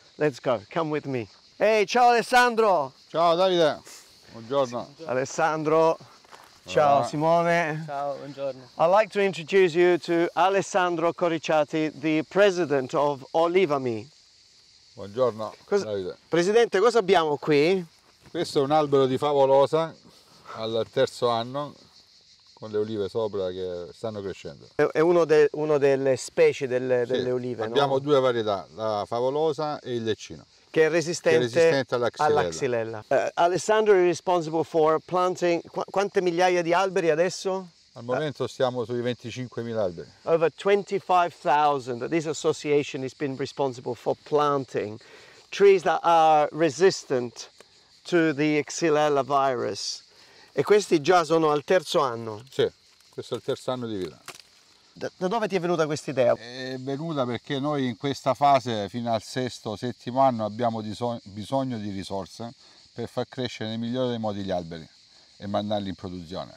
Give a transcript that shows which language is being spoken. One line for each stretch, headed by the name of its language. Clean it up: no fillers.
English: Let's go, come with me. Hey, ciao Alessandro.
Italian: Ciao Davide, buongiorno. Alessandro. Ciao Simone. Ciao, buongiorno.
English: I'd like to introduce you to Alessandro Corricciati, the president of Olivami.
Italian: Buongiorno. Presidente, cosa abbiamo qui? Questo è un albero di favolosa al terzo anno, con le olive sopra che stanno crescendo. È uno delle specie delle sì, olive, abbiamo no? Due varietà, la favolosa e il leccino. Che è resistente alla Xilella.
English: Alessandro is responsible for planting...
Italian: Quante migliaia di alberi adesso? Al momento siamo sui 25.000 alberi.
English: Over 25.000 that this association has been responsible for planting. Trees that are resistant to the Xilella virus.
Italian: E questi già sono al terzo anno? Sì, questo è il terzo anno di vita. Da dove ti è venuta questa idea? È venuta perché noi in questa fase, fino al sesto o settimo anno, abbiamo bisogno di risorse per far crescere nel migliore dei modi gli alberi e mandarli in produzione.